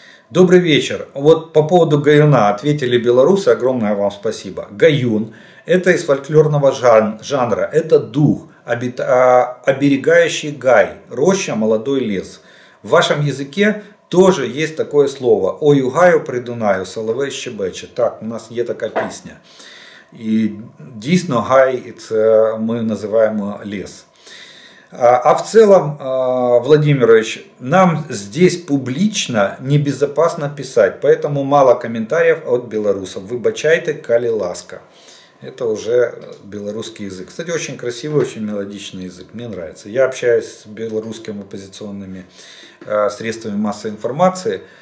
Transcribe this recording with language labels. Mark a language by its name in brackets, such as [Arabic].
[Russian] Добрый вечер. Вот по поводу гаюна ответили белорусы, огромное вам спасибо. Гаюн — это из фольклорного жанра, это дух, оберегающий гай, роща, молодой лес. В вашем языке тоже есть такое слово: [Ukrainian] «Ой, югаю придунаю, соловей щебече». Так, у нас є така пісня. І дійсно гай — це ми називаємо ліс. [Russian] А в целом, Владимирович, нам здесь публично небезопасно писать, поэтому мало комментариев от белорусов. [Belarusian] Выбачайте, кали ласка. [Russian] Это уже белорусский язык. Кстати, очень красивый, очень мелодичный язык. Мне нравится. Я общаюсь с белорусскими оппозиционными средствами массовой информации.